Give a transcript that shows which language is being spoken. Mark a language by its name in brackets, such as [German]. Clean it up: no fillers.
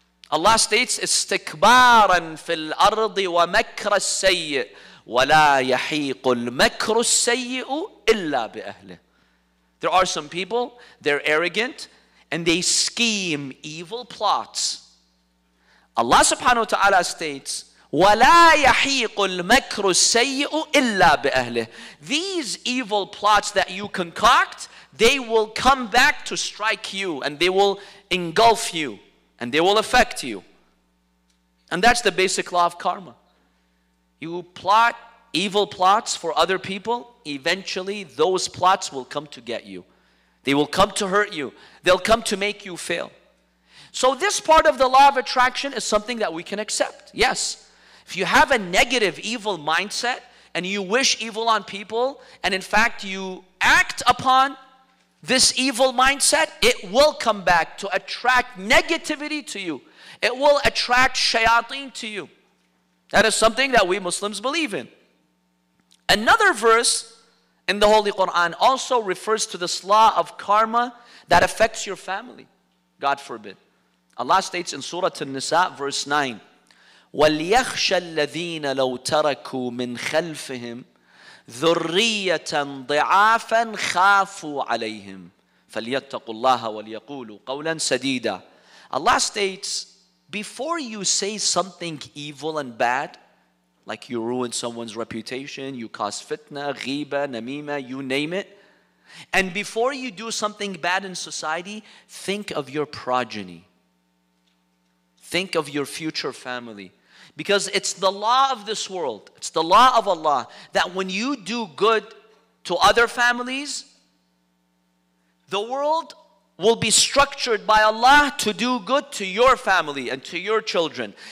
[English] Allah states, [Arabic] إِسْتِكْبَارًا فِي الْأَرْضِ وَمَكْرَ السَّيِّئِ وَلَا يَحِيقُ الْمَكْرُ السَّيِّئُ إِلَّا بِأَهْلِهِ. [English] There are some people, they're arrogant, and they scheme evil plots. [Arabic] Allah subhanahu wa ta'ala states, وَلَا يَحِيقُ الْمَكْرُ السَّيِّئُ إِلَّا بِأَهْلِهِ. [English] These evil plots that you concoct, they will come back to strike you and they will engulf you and they will affect you. And that's the basic law of karma. You plot evil plots for other people, eventually those plots will come to get you. They will come to hurt you. They'll come to make you fail. So this part of the law of attraction is something that we can accept. Yes. If you have a negative, evil mindset, and you wish evil on people, and in fact you act upon this evil mindset, it will come back to attract negativity to you. It will attract shayateen to you. That is something that we Muslims believe in. Another verse in the Holy Quran also refers to this law of karma that affects your family, God forbid. Allah states in Surah An-Nisa, verse 9, [Arabic] وَلْيَخْشَ الَّذِينَ لَوْ تَرَكُوا مِنْ خَلْفِهِمْ ذُرِّيَّةً ضِعَافًا خَافُوا عَلَيْهِمْ فَلْيَتَّقُوا اللَّهَ وَلْيَقُولُوا قَوْلًا سَدِيدًا. [English] Allah states before you say something evil and bad, like you ruin someone's reputation, you cause fitna, ghiba, namima, you name it, and before you do something bad in society, think of your progeny. Think of your future family. Because it's the law of this world, it's the law of Allah, that when you do good to other families, the world will be structured by Allah to do good to your family and to your children.